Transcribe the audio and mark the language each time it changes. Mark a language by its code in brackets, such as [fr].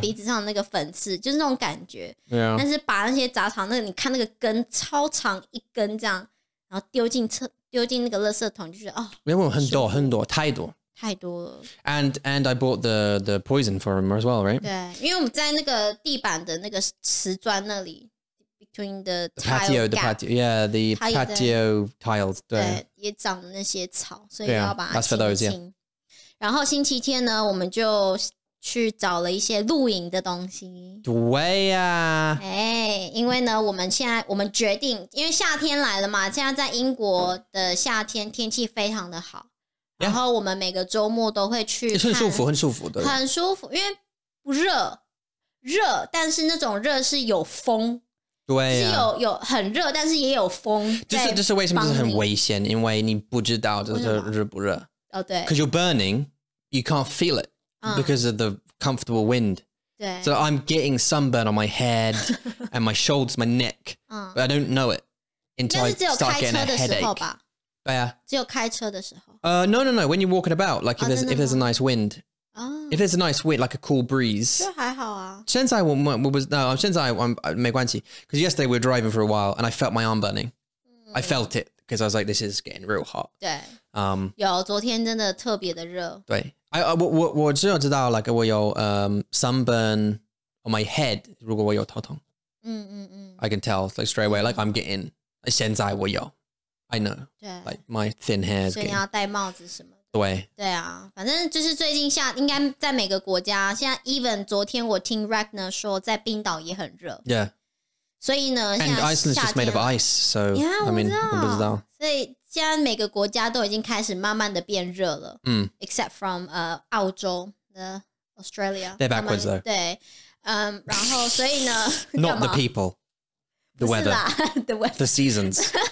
[zh] 鼻子上那个粉刺，就是那种感觉、 [en] yeah. [zh] 但是拔那些杂草，那个你看那个根超长一根这样，然后丢进那个垃圾桶，就觉得哦，没有，很多很多，太多太多了。 [en] And I bought the poison for him as well, right? [zh] 对，因为我们在那个地板的那个瓷砖那里 between [en] the patio tiles 对 [zh] 也长那些草，所以要把它 [en] 清清。 That's for those, yeah. [zh] 然后星期天呢，我们就去找了一些露营的东西。对呀、啊，因为呢，我们现在我们决定，因为夏天来了嘛，现在在英国的夏天天气非常的好， yeah. 然后我们每个周末都会去看，很舒服，很舒服的，很舒服，因为不热，热，但是那种热是有风。对、啊，是有很热，但是也有风。就是为什么就是很危险？因为你不知道就是热不热。哦，对。 [en] Because you're burning, you can't feel it、because of the comfortable wind. [zh] 对。 [en] So I'm getting sunburn on my head and my shoulders, my neck. [zh] 嗯。 [en] But I don't know it until I start getting a headache. [zh] 但是只有开车的时候吧。对啊。只有开车的时候。 [en] No. When you're walking about, like if there's a nice wind. [zh] 哦。 [en] If there's a nice wind, like a cool breeze. [zh] 就还好啊。 [en] 现在我没关系 because yesterday we were driving for a while and I felt my arm burning、mm. I felt it because I was like this is getting real hot [zh] 对有昨天真的特别的热对 我只有知道 like 我有 sunburn on my head 如果我有头痛嗯嗯嗯 [en] I can tell like straight away like I'm getting 现在我有 I know [zh] 对 [en] like my thin hair is getting [zh] 所以你要戴帽子什么对对啊，反正就是最近下应该在每个国家，现在 even 昨天我听 Ragnar 说在冰岛也很热 [en] ，Yeah， [zh] 所以呢 [en] ，And Iceland is just made of ice， so yeah, [zh] I mean 我不知道，所以现在每个国家都已经开始慢慢的变热了，嗯、mm. [en] ，except from 澳洲的 Australia， they're backwards though， [zh] 对，然后所以呢 [en] ，Not the people， the weather， the weather， the seasons，